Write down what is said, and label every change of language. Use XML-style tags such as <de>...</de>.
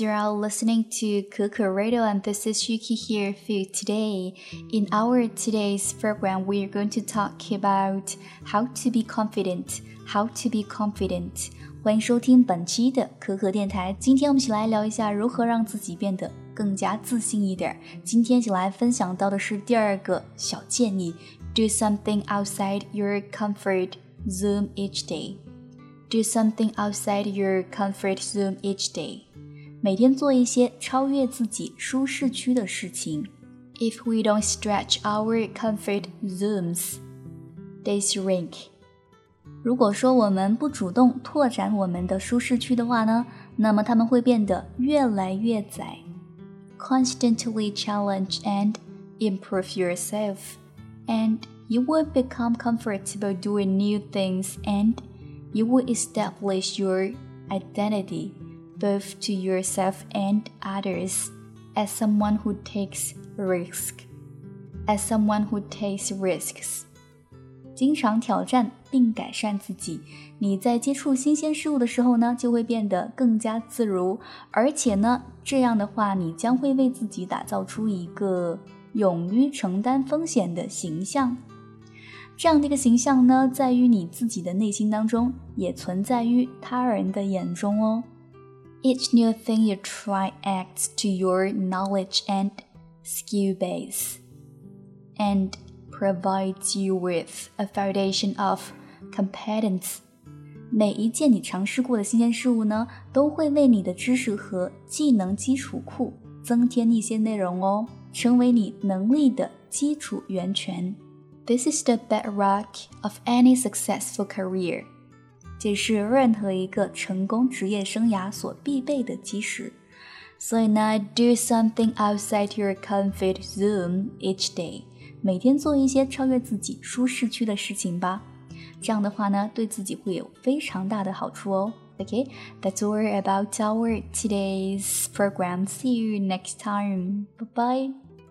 <en>You are listening to Kuku Radio, and this is Yuki here for you today. In our today's program, we are going to talk about how to be confident. How to be confident.</en> <zh>欢迎收听本期的可可电台。今天我们一起来聊一下如何让自己变得更加自信一点。今天请来分享到的是第二个小建议 ：</zh> <en>Do something outside your comfort zone each day. Do something outside your comfort zone each day.</en> <zh>每天做一些超越自己舒适区的事情。</zh> <en>If we don't stretch our comfort zones, they shrink.</en> <zh>如果说我们不主动拓展我们的舒适区的话呢，那么他们会变得越来越窄。</zh> <en>Constantly challenge and improve yourself, and you will become comfortable doing new things andYou will establish your identity, both to yourself and others, as someone who takes risks. As someone who takes risks.</en> <zh>经常挑战并改善自己，你在接触新鲜事物的时候呢，就会变得更加自如，而且呢，这样的话，你将会为自己打造出一个勇于承担风险的形象。这样的一个形象呢，在于你自己的内心当中，也存在于他人的眼中哦。</zh> <en>Each new thing you try adds to your knowledge and skill base, and provides you with a foundation of competence.</en> <zh>每一件你尝试过的新鲜事物呢，都会为你的知识和技能基础库增添一些内容哦，成为你能力的基础源泉。</zh> <en>This is the bedrock of any successful career.</en> <zh>这是任何一个成功职业生涯所必备的基石。所以呢</zh> <en>do something outside your comfort zone each day.</en> <zh>每天做一些超越自己舒适区的事情吧。这样的话呢，对自己会有非常大的好处哦。</zh> <en>Okay, that's all about our today's program. See you next time. Bye-bye.</en>